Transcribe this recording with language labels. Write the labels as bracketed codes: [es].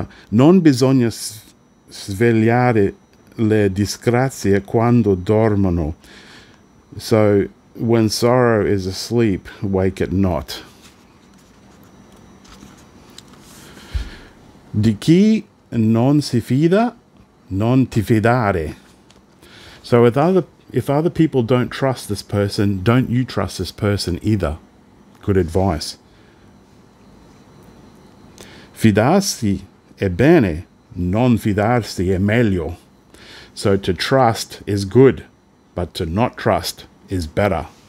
[it] Non bisogna svegliare le disgrazie quando dormono. [en] So when sorrow is asleep, wake it not. [it] Di chi non si fida, non ti fidare. [en] So if other people don't trust this person, don't you trust this person either. Good advice. [it] Fidarsi è bene, non fidarsi è meglio. [en] So to trust is good, but to not trust is better.